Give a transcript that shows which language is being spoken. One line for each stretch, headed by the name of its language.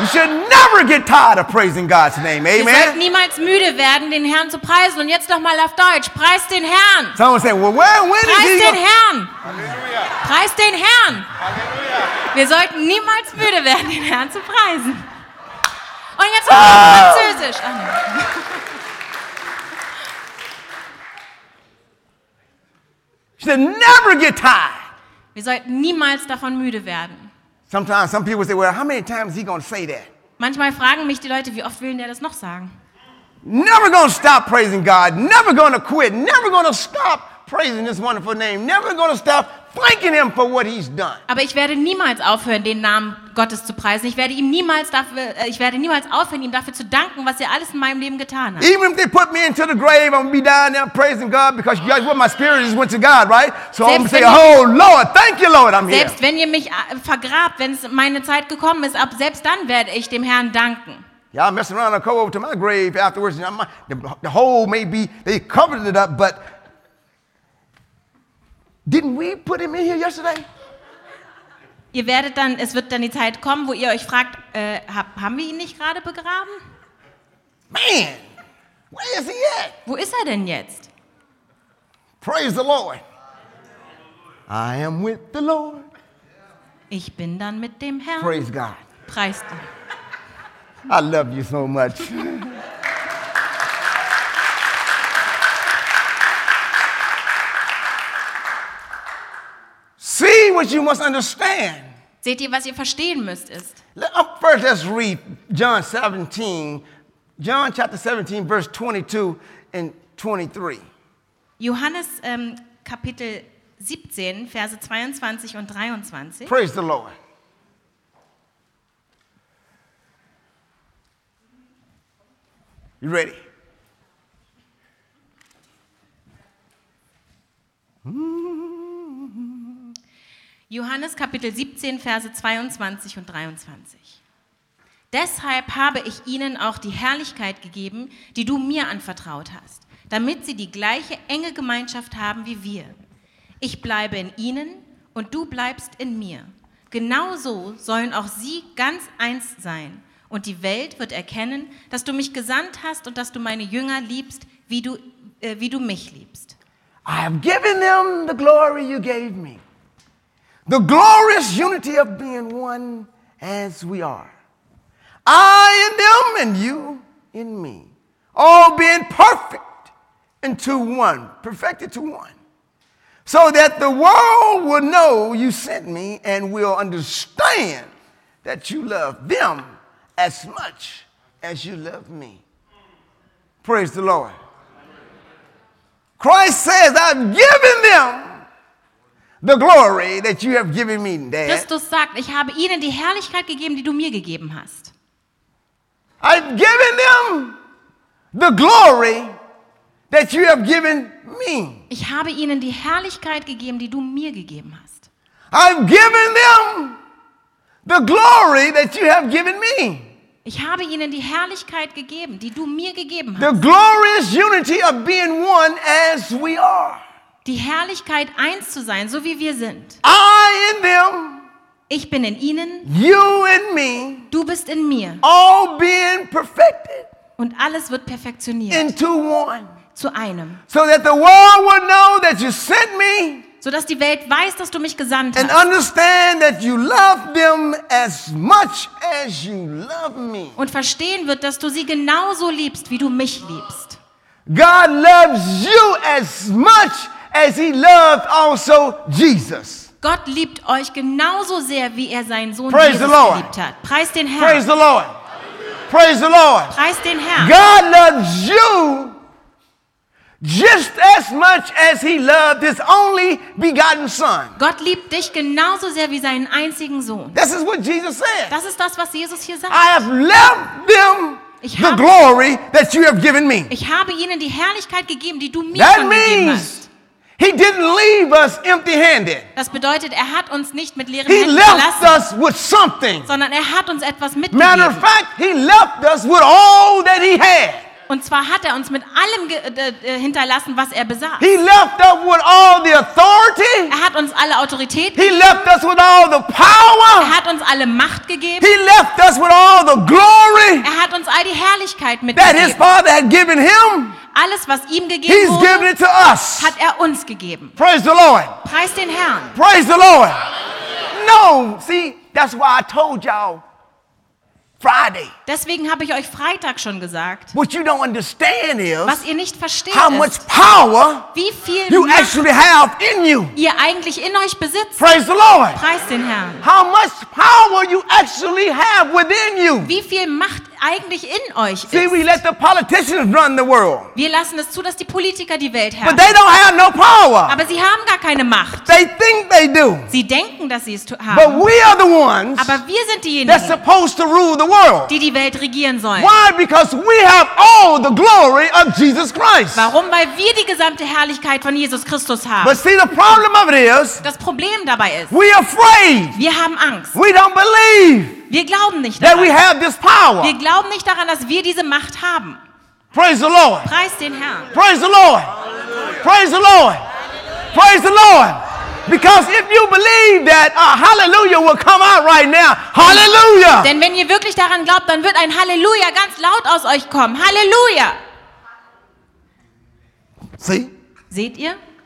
English: You should never get tired of praising God's name. Amen.
German: Ihr sollt niemals müde werden, den Herrn zu preisen. Und jetzt nochmal auf Deutsch. Preist den Herrn.
English: Someone say, well, where, when
German: preist
English: is he?
German: Preist den Herrn. Hallelujah. Preist den Herrn. Hallelujah. Wir sollten niemals müde werden, den Herrn zu preisen. Und jetzt nochmal auf Französisch. Oh, nein.
English: to never get tired.
German: Wir sollten niemals davon müde werden.
English: Sometimes some people say, well, how many times is he going to say that?
German: Manchmal fragen mich die Leute, wie oft will der das noch sagen?
English: Never going to stop praising God. Never going to quit. Never going to stop praising this wonderful name. Never going to stop thanking him for what he's done.
German: Aber ich werde niemals aufhören, den Namen Gottes zu preisen. Ich werde niemals aufhören, ihm dafür zu danken, was er alles in meinem Leben getan hat.
English: Even if they put me into the grave, I'm gonna be down there praising God, because you guys, what my spirit just went to God, right? So
German: selbst
English: I'm gonna say, oh Lord, thank you, Lord, I'm
German: selbst
English: here.
German: Selbst wenn ihr mich vergrabt, wenn es meine Zeit gekommen ist, ab selbst dann werde ich dem Herrn danken.
English: Yeah, I'm messing around. I go over to my grave afterwards, and the hole may be they covered it up, but didn't we put him in here yesterday?
German: Ihr werdet dann, es wird dann die Zeit kommen, wo ihr euch fragt, haben wir ihn nicht gerade begraben?
English: Man, where is he at?
German: Wo ist er denn jetzt?
English: Praise the Lord. I am with the Lord.
German: Ich bin dann mit dem Herrn.
English: Praise God.
German: Preist ihn.
English: I love you so much. See what you must understand.
German: Seht ihr, was ihr verstehen müsst, ist.
English: Let's read John 17, John chapter 17, verse 22 and 23.
German: Johannes Kapitel 17, Verse 22 und 23.
English: Praise the Lord. You ready?
German: Johannes Kapitel 17, Verse 22 und 23. Deshalb habe ich ihnen auch die Herrlichkeit gegeben, die du mir anvertraut hast, damit sie die gleiche enge Gemeinschaft haben wie wir. Ich bleibe in ihnen und du bleibst in mir. Genauso sollen auch sie ganz eins sein. Und die Welt wird erkennen, dass du mich gesandt hast und dass du meine Jünger liebst, wie du mich liebst.
English: I have given them the glory you gave me. The glorious unity of being one as we are. I in them and you in me. All being perfect into one, perfected to one. So that the world will know you sent me and will understand that you love them as much as you love me. Praise the Lord. Christ says, I've given them the glory that you have given me, Dad.
German: Christus sagt, ich habe ihnen die Herrlichkeit gegeben, die du mir gegeben hast.
English: I've given them the glory that you have given me.
German: Ich habe ihnen die Herrlichkeit gegeben, die du mir gegeben hast.
English: I've given them the glory that you have given me.
German: Ich habe ihnen die Herrlichkeit gegeben, die du mir gegeben hast.
English: The glorious unity of being one as we are.
German: Die Herrlichkeit, eins zu sein, so wie wir sind.
English: I in them.
German: Ich bin in ihnen.
English: You in me.
German: Du bist in mir.
English: All being perfected.
German: Und alles wird perfektioniert.
English: Into one.
German: Zu einem.
English: So that the world will know that you sent me.
German: So dass die Welt weiß, dass du mich gesandt hast.
English: And understand that you love them as much as you love me.
German: Und verstehen wird, dass du sie genauso liebst, wie du mich liebst.
English: God loves you as much as he loved also Jesus.
German: Gott liebt euch genauso sehr, wie er seinen Sohn
English: Praise
German: Jesus geliebt hat. Preist den Herrn.
English: Praise the Lord. Praise the Lord.
German: Preist den Herrn.
English: God loves you just as much as he loved his only begotten son.
German: Gott liebt dich genauso sehr wie seinen einzigen Sohn.
English: This is what Jesus said.
German: Das ist das, was Jesus hier sagt.
English: I have loved them the glory that you have given me.
German: Ich habe ihnen die Herrlichkeit gegeben, die du mir gegeben hast.
English: That means he didn't leave us empty-handed.
German: Das bedeutet, er hat uns nicht mit leeren Händen verlassen.
English: He left us with something.
German: Sondern er hat uns etwas mitgegeben.
English: Matter of fact, he left us with all that he had.
German: Und zwar hat er uns mit allem hinterlassen, was er besaß.
English: He left us with all the authority.
German: Er hat uns alle Autorität gegeben.
English: He left us with all the power.
German: Er hat uns alle Macht gegeben.
English: He left us with all the glory.
German: Er hat uns all die Herrlichkeit mitgegeben.
English: That his father had given him.
German: Alles, was ihm gegeben
English: He's
German: wurde,
English: given it to us.
German: Hat er uns gegeben.
English: Praise the Lord.
German: Preist den Herrn.
English: Praise the Lord. No, see, that's why I told y'all. Friday.
German: Deswegen habe ich euch Freitag schon gesagt.
English: What you don't understand is,
German: was ihr nicht versteht,
English: how much power,
German: wie viel
English: you actually have in you.
German: Ihr eigentlich in euch besitzt.
English: Praise the Lord.
German: Preist den Herrn.
English: How much power you actually have within you.
German: Wie viel Macht eigentlich in euch ist.
English: See, we let the politicians run the world.
German: Wir lassen es zu, dass die Politiker die Welt herrschen.
English: But they don't have no power.
German: Aber sie haben gar keine Macht.
English: They think they do.
German: Sie denken, dass sie es haben.
English: But we are the ones,
German: aber wir sind diejenigen,
English: that's supposed to rule the world.
German: Die die Welt regieren sollen.
English: Why? Because we have all the glory of Jesus Christ.
German: Warum? Weil wir die gesamte Herrlichkeit von Jesus Christus haben.
English: But see, the problem of it is,
German: das Problem dabei ist,
English: we are afraid.
German: Wir haben Angst.
English: We don't believe.
German: Wir glauben nicht daran.
English: That we have this power.
German: Wir glauben nicht daran, dass wir diese Macht haben.
English: Praise the Lord.
German: Preis den Herrn.
English: Praise the Lord. Hallelujah. Praise the Lord. Hallelujah. Praise the Lord. Because if you believe that a hallelujah will come out right now. Hallelujah.
German: Denn wenn ihr wirklich daran glaubt, dann wird ein Hallelujah ganz laut aus euch kommen. Hallelujah.
English: See?
German: Seht ihr?